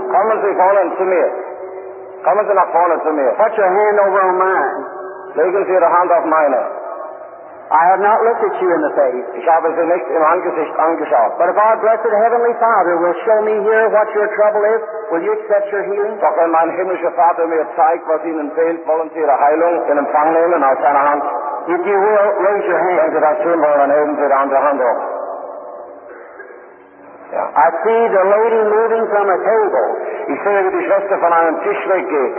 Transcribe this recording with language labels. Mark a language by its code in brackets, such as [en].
[en] Come as we fall into me. Come as we not fall into me. Put your hand over on mine. [de] Legen Sie Ihre Hand auf meine. [en] I have not looked at you in the face. [de] Ich habe Sie nicht im Angesicht angeschaut. [en] But if our blessed Heavenly Father will show me here what your trouble is, will you accept your healing? [de] Doch wenn mein himmlischer Vater mir zeigt, was Ihnen fehlt, wollen Sie Ihre Heilung in Empfang nehmen aus seiner Hand? [en] If you will, raise your hand. [de] Wenn Sie das tun wollen, dann heben Sie Ihre andere Hand auf. [en] Yeah. I see the lady moving from a table. [de] Ich sehe, wie die Schwester von einem Tisch weggeht.